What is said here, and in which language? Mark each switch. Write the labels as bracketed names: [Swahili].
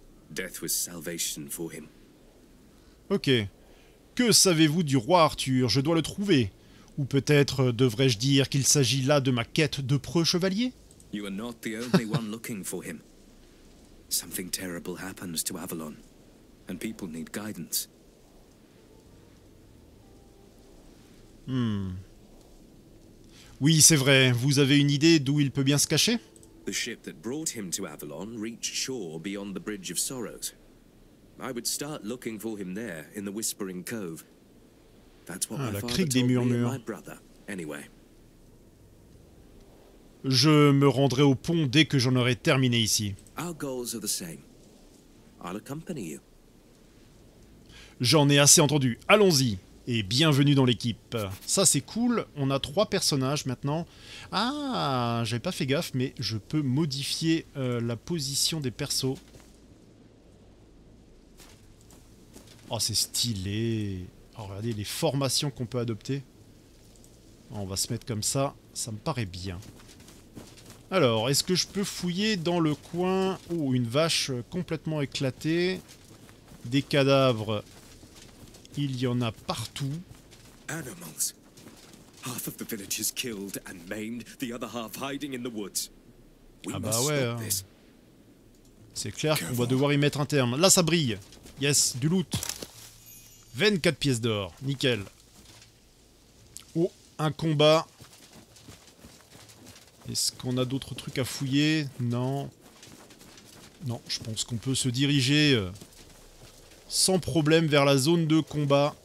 [English] Death was salvation for him. Ok. [French] Que savez-vous du roi Arthur? Je dois le trouver. Ou peut-être devrais-je dire qu'il s'agit là de ma quête de preux chevalier? [English] You are not the only one looking for him. Something terrible happens to Avalon, and people need guidance. [French] Oui, c'est vrai. Vous avez une idée d'où il peut bien se cacher? [English] The ship that brought him to Avalon reached shore beyond the Bridge of Sorrows. I would start looking for him there in the Whispering Cove. That's what [French] la crique des murmures. [English] My brother, anyway. [French] Je me rendrai au pont dès que j'en aurai terminé ici. [English] Our goals are the same. I'll accompany you. [French] J'en ai assez entendu. Allons-y. Et bienvenue dans l'équipe. Ça c'est cool, on a trois personnages maintenant. Ah, j'avais pas fait gaffe, mais je peux modifier la position des persos. Oh, c'est stylé. Oh, regardez les formations qu'on peut adopter. On va se mettre comme ça, ça me paraît bien. Alors, est-ce que je peux fouiller dans le coin où une vache complètement éclatée, des cadavres? Il y en a partout. [English] Animals. Half of the village is killed and maimed, the other half hiding in the woods. We ah bah must ouais. Stop this. [French] C'est clair qu'on va devoir y mettre un terme. Là ça brille. Yes, du loot. 24 pièces d'or, nickel. Oh, un combat. Est-ce qu'on a d'autres trucs à fouiller? Non. Non, je pense qu'on peut se diriger sans problème vers la zone de combat.